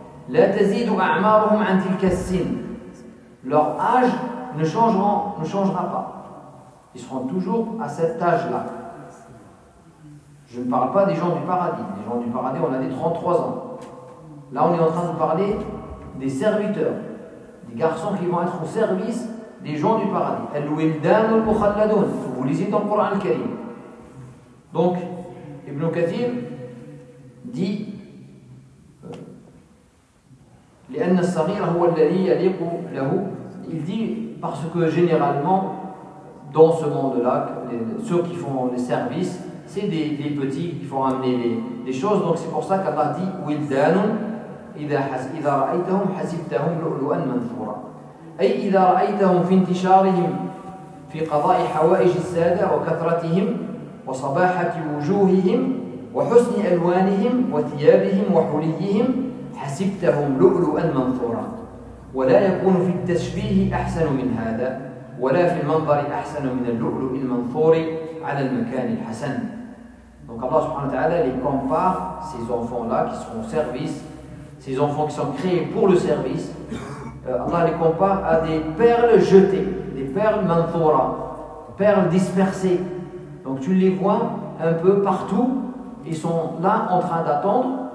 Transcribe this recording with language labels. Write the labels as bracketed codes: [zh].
[ar] لا تزيد أعمارهم عن تلك السن. [fr] Leur âge ne changera pas. Ils seront toujours à cet âge-là. Je ne parle pas des gens du paradis. Les gens du paradis, on a des 33 ans. Là, on est en train de parler des serviteurs, des garçons qui vont être au service des gens du paradis. Al-Wildan al-Mukhalladun. Vous lisez dans le Coran al-Karim. Donc, Ibn Kathir dit [ar] لأن الصغير هو الذي يليق له. [fr] Il dit parce que généralement dans ce monde-là, ceux qui font les services, c'est des petits qui font amener les choses. Donc c'est pour ça qu'Allah dit [ar] وِلْدَانُ إِذَا رَأَيْتَهُمْ حَسِبْتَهُمْ لُؤْلُؤًا مَنْثُورًا. أي إذا رأيتهم في انتشارهم في قضاء حوائج السادة وكثرتهم وصباحة وجوههم وحسن ألوانهم وثيابهم وحليهم حسبتهم لؤلؤا منثورا ولا يكون في التشبيه احسن من هذا ولا في المنظر احسن من اللؤلؤ المنثور على المكان الحسن. [fr] Donc Allah subhanahu wa ta'ala les compare, ces enfants là qui sont au service, ces enfants qui sont créés pour le service, Allah les compare à des perles jetées, des perles manthura, perles dispersées. Donc tu les vois un peu partout, ils sont là en train d'attendre.